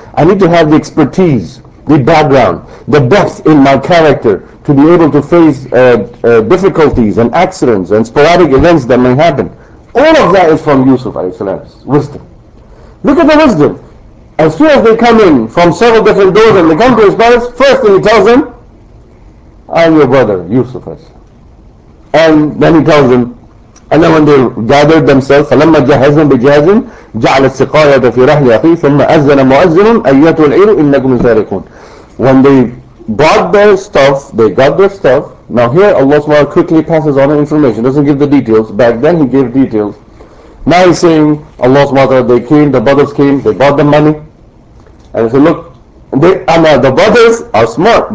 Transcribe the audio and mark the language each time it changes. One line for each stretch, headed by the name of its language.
English: I need to have the expertise, the background, the depth in my character to be able to face difficulties and accidents and sporadic events that may happen. All of that is from Yusuf alayhi salam's wisdom. Look at the wisdom. As soon as they come in from several different doors and they come to his palace, first thing he tells them, I'm your brother, Yusuf. And then he tells them, and then when they gathered themselves,
Arabic: فَلَمَّا جَهَزْنَا بِجَهَزٍ جَعْلَ السِّقَايَةَ فِي رَحْلِ أَخِي ثُمَّ أَزَّنَ مُؤَزِّنٌ أَيَّتُ الْعِيرُ إِنَّكُمْ سَارِقُونَ.
English: When they brought their stuff, they got their stuff. Now here Allah subhanahu wa ta'ala quickly passes on the information, doesn't give the details. Back then he gave details. Now he's saying, Allah subhanahu wa ta'ala, they came, the brothers came, they bought the money. And he said, look, the brothers are smart.